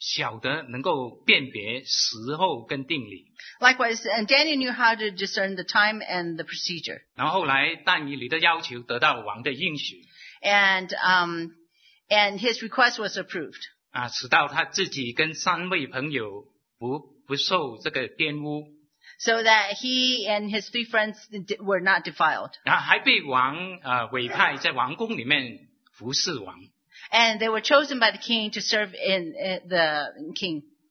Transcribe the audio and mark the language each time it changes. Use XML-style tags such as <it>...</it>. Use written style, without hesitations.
<zh>同样的，但以理晓得能够辨别时候跟定理。</zh> <en>Likewise, and Daniel knew how to discern the time and the procedure.</en> <zh>然后后来但以理的要求得到王的应许。</zh> <en>And And his request was approved.</en> <zh>直到他自己跟三位朋友不受这个玷污。</zh> <en>So that he and his three friends were not defiled.</en> <zh>还被王委派在王宫里面服侍王。</zh> <en>And they were chosen by the king to serve in the king.</en>